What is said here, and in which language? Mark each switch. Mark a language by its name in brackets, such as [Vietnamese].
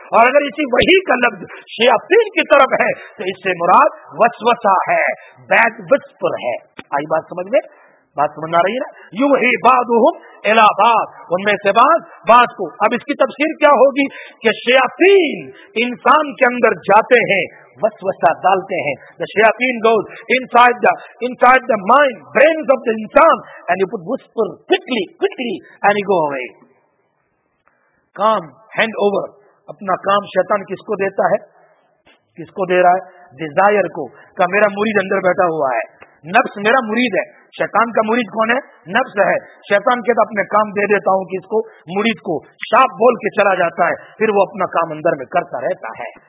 [Urdu] اور اگر اسی وحی کا لفظ شیاطین کی طرف ہے تو اس سے مراد وسوسہ ہے, [English] bad whisper [Urdu] ہے. آئی بات سمجھ میں؟ بات سمجھ آ رہی ہے نا؟ یوں ہی [Arabic] بعضہم الی بعض, [Urdu] ان میں سے بعض بعض کو. اب اس کی تفسیر کیا ہوگی؟ کہ شیاطین انسان کے اندر جاتے ہیں, وسوسہ ڈالتے ہیں. [English] The shayateen goes inside the mind, brains of the insan, and he put whisper quickly and he go away. [Urdu] Com [English] Hand over. [Urdu] اپنا کام شیطان کس کو دیتا ہے؟ کس کو دے رہا ہے؟ ڈیزائر کو. کہ میرا مرید اندر بیٹھا ہوا ہے, نفس میرا مرید ہے. شیطان کا مرید کون ہے؟ نفس ہے. شیطان کے تو اپنے کام دے دیتا ہوں کہ اس کو مرید کو شاپ بول کے چلا جاتا ہے, پھر وہ اپنا کام اندر میں کرتا رہتا ہے.